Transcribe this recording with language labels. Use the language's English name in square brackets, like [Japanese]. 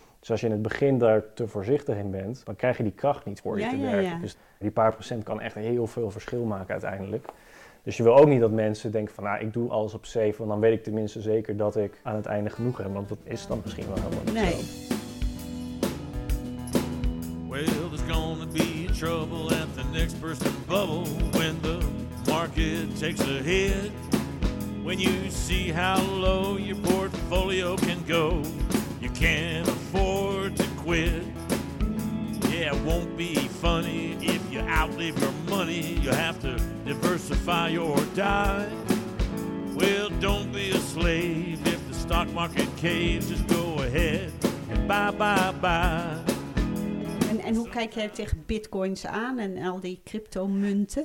[Dutch] Dus als je in het begin daar te voorzichtig in bent, dan krijg je die kracht niet voor je te werken. Ja. Dus die paar procent kan echt heel veel verschil maken uiteindelijk. Dus je wil ook niet dat mensen denken van, nou, ik doe alles op 7, want dan weet ik tenminste zeker dat ik aan het einde genoeg heb. Want dat is dan misschien wel helemaal niet zo. [English] Well, there's gonna be trouble at the next bursting bubble when the market takes a hit. When you see how low your portfolio can go, you can't afford to quit. Yeah, it won't be funny if you outlive your money. You have to diversify or die. Well, don't be a slave if the stock market caves. Just go ahead and bye, bye, bye. [Dutch] En hoe kijk jij tegen bitcoins aan en al die cryptomunten?